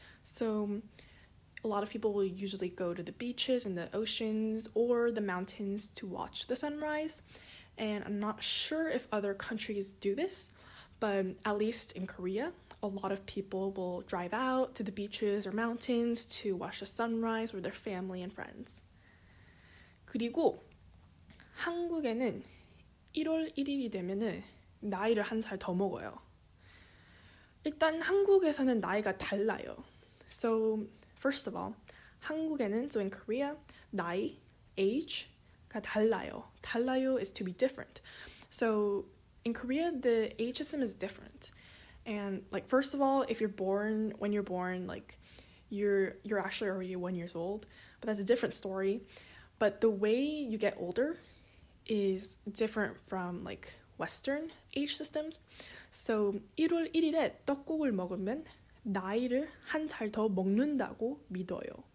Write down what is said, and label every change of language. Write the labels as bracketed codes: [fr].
[en] So a lot of people will usually go to the beaches and the oceans or the mountains to watch the sunrise. And I'm not sure if other countries do this, but at least in Korea, a lot of people will drive out to the beaches or mountains to watch the sunrise with their family and friends. [ko] 그리고 한국에는 1월 1일이 되면은 나이를 한 살 더 먹어요. 일단 한국에서는 나이가 달라요. [en] So first of all, [ko] 한국에는, [en] so in Korea, 나이, age가 [ko] 달라요. [en] 달라요 is to be different. So in Korea, the age system is different. And like, first of all, if you're born, when you're born, like you're actually already 1 year old, but that's a different story. But the way you get older is different from like Western age systems. [ko] So 1월 1일에 떡국을 먹으면 나이를 한 살 더 먹는다고 믿어요.